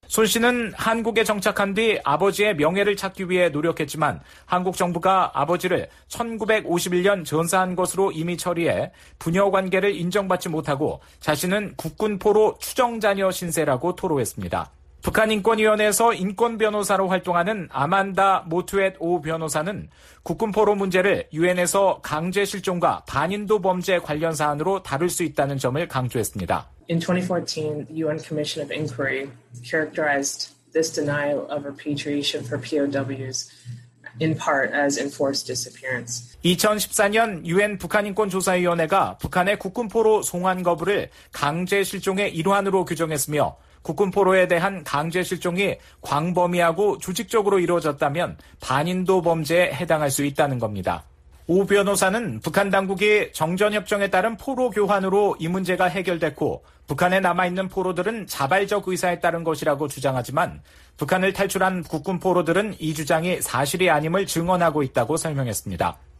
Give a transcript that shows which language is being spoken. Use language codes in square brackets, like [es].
[ko] 손 씨는 한국에 정착한 뒤 아버지의 명예를 찾기 위해 노력했지만 한국 정부가 아버지를 1951년 전사한 것으로 이미 처리해 부녀 관계를 인정받지 못하고 자신은 국군포로 추정자녀 신세라고 토로했습니다. 북한인권위원회에서 인권변호사로 활동하는 아만다 모트웻 오 변호사는 국군포로 문제를 유엔에서 강제실종과 반인도 범죄 관련 사안으로 다룰 수 있다는 점을 강조했습니다. [en] In 2014, the UN Commission of Inquiry characterized this denial of repatriation for POWs in part as enforced disappearance. [ko] 2014년 유엔 북한인권조사위원회가 북한의 국군포로 송환 거부를 강제실종의 일환으로 규정했으며 국군포로에 대한 강제실종이 광범위하고 조직적으로 이루어졌다면 반인도 범죄에 해당할 수 있다는 겁니다. 오 변호사는 북한 당국이 정전협정에 따른 포로 교환으로 이 문제가 해결됐고 북한에 남아있는 포로들은 자발적 의사에 따른 것이라고 주장하지만 북한을 탈출한 국군포로들은 이 주장이 사실이 아님을 증언하고 있다고 설명했습니다.